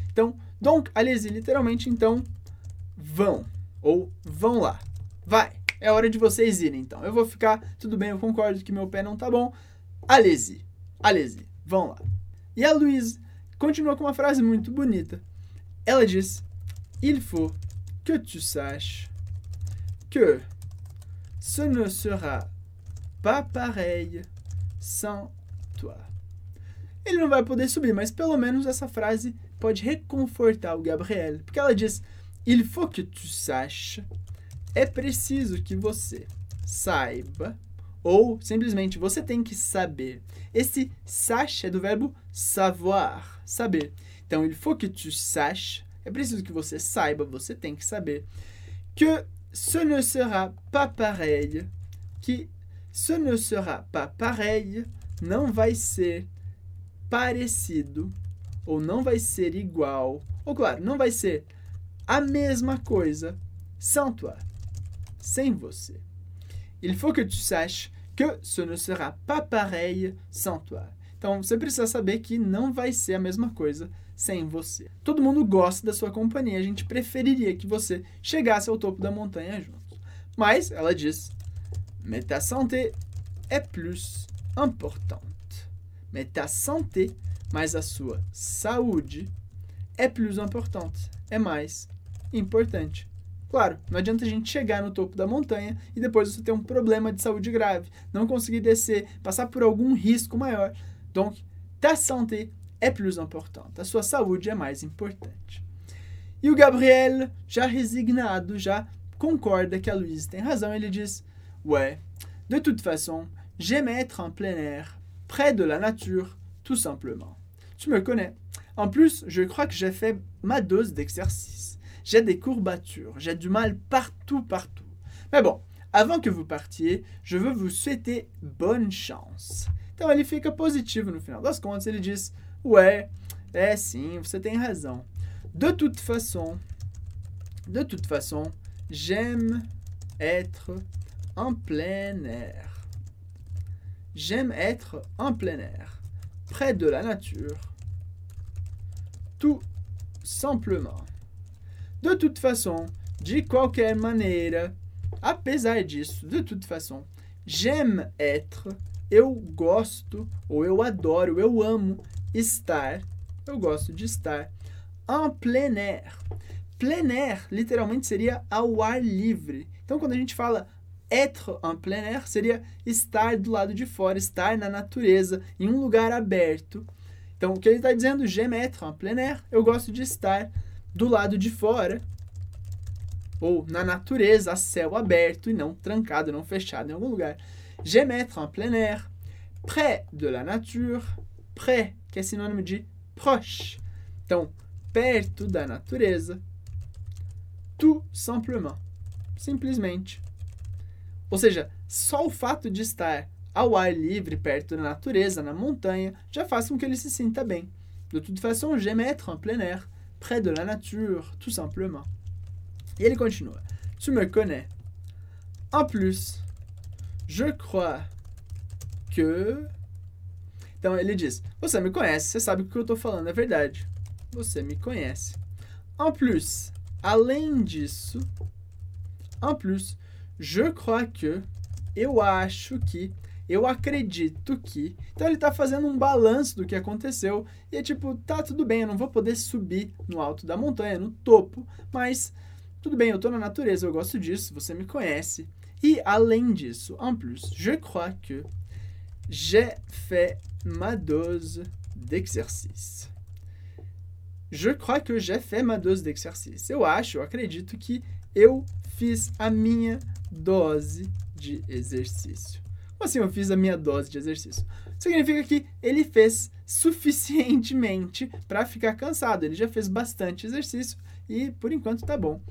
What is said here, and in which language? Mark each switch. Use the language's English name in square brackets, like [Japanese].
[Portuguese] Então, [French] donc, allez-y, [Portuguese] literalmente, então, vão, ou vão lá. Vai, é hora de vocês irem, então. Eu vou ficar, tudo bem, eu concordo que meu pé não tá bom. [French] Allez-y, [Portuguese] vão lá. E a Louise continua com uma frase muito bonita. Ela diz, [French] il faut que tu saches que ce ne sera pas pareil sans toi. [Portuguese] Ele não vai poder subir, mas pelo menos essa frase pode reconfortar o Gabriel. Porque ela diz, [French] il faut que tu saches, [Portuguese] é preciso que você saiba, ou simplesmente você tem que saber. Esse sache é do verbo savoir, saber. Então, [French] il faut que tu saches, [Portuguese] é preciso que você saiba, você tem que saber, [French] que ce ne sera pas pareil, [Portuguese] que ce ne sera pas pareil, não vai ser parecido, ou não vai ser igual, ou claro, não vai ser a mesma coisa, [French] sans toi, [Portuguese] sem você. [French] Il faut que tu saches que ce ne sera pas pareil sans toi. [Portuguese] Então, você precisa saber que não vai ser a mesma coisa sem você. Todo mundo gosta da sua companhia, a gente preferiria que você chegasse ao topo da montanha junto. Mas, ela diz, [French] mais ta santé é plus importante. Mais ta santé, [Portuguese] mas a sua saúde, [French] é plus importante, [Portuguese] é mais importante. Claro, não adianta a gente chegar no topo da montanha e depois você ter um problema de saúde grave, não conseguir descer, passar por algum risco maior. [French] Donc, ta santé é plus importante. [Portuguese] A sua saúde é mais importante. E o Gabriel, já resignado, já concorda que a Louise tem razão. Ele diz, [French] ouais, de toute façon, j'aime être en plein air, près de la nature, tout simplement. Tu me connais. En plus, je crois que j'ai fait ma dose d'exercice. J'ai des courbatures, j'ai du mal partout. Mais bon, avant que vous partiez, je veux vous souhaiter bonne chance. [Portuguese] Então, ele fica positivo no final das contas. Ele diz, [French] ouais, [Portuguese] é sim, você tem razão. [French] De toute façon, j'aime être en plein air. J'aime être en plein air, près de la nature, tout [Portuguese] simplement. [French] De toute façon, [Portuguese] de qualquer manière, apesar disso, [French] de toute façon, j'aime être, [Portuguese] eu gosto, ou eu adoro, eu amo estar, eu gosto de estar, [French] en plein air. [Portuguese] Plein air, literalmente, seria ao ar livre. Então, quando a gente fala [French] être en plein air, [Portuguese] seria estar do lado de fora, estar na natureza, em um lugar aberto. Então, o que ele está dizendo, [French] j'aime être en plein air, [Portuguese] eu gosto de estar do lado de fora, ou na natureza, a céu aberto e não trancado, não fechado em algum lugar. [French] J'aime être en plein air, près de la nature, près, [Portuguese] que é sinônimo de proche. Então, perto da natureza. [French] Tout simplement. [Portuguese] Simplesmente. Ou seja, só o fato de estar ao ar livre, perto da natureza, na montanha, já faz com que ele se sinta bem. [French] De toute façon, j'aime être en plein air, près de la nature, tout simplement. [Portuguese] E ele continua. [French] Tu me connais. En plus, je crois que... [Portuguese] Então, ele diz, você me conhece, você sabe que o que eu tô falando é verdade. Você me conhece. [French] En plus, [Portuguese] além disso, [French] en plus, je crois que, [Portuguese] eu acho que, eu acredito que... Então, ele tá fazendo um balanço do que aconteceu e é tipo, tá tudo bem, eu não vou poder subir no alto da montanha, no topo, mas tudo bem, eu tô na natureza, eu gosto disso, você me conhece. E, além disso, [French] en plus, je crois que j'ai fait ma dose d'exercice. Je crois que j'ai fait ma dose d'exercice. [Portuguese] Eu acho, eu acredito que eu fiz a minha dose de exercício. Como assim eu fiz a minha dose de exercício? Significa que ele fez suficientemente para ficar cansado. Ele já fez bastante exercício e, por enquanto, tá bom.